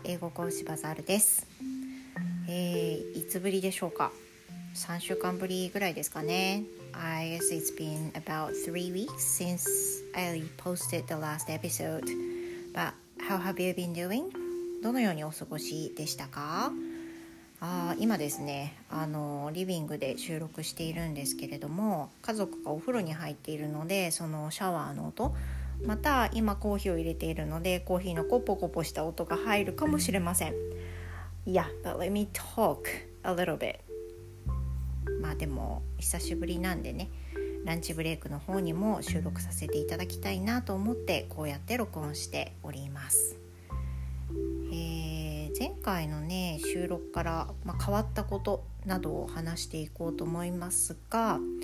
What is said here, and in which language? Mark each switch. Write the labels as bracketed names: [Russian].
[Japanese] 英語講師バザールです。いつぶりでしょうか。 3週間ぶりぐらいですかね。 [English] I guess it's been about 3 weeks since I posted the last episode. But how have you been doing? [Japanese] どのようにお過ごしでしたか。今ですね、リビングで収録しているんですけれども、家族がお風呂に入っているので、そのシャワーの音、また今コーヒーを入れているのでコーヒーのコポコポした音が入るかもしれません。 [English] Yeah, but let me talk a little bit. [Japanese] まあでも久しぶりなんでね、ランチブレイクの方にも収録させていただきたいなと思ってこうやって録音しております。前回のね、収録から、まあ、変わったことなどを話していこうと思いますが、